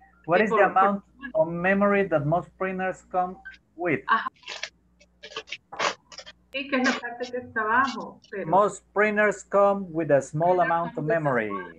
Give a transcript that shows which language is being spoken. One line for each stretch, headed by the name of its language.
English: What is the amount of memory that most printers come with?
Spanish: Ajá. Sí, que es la parte que está abajo. Pero...
English: Most printers come with a small amount of memory.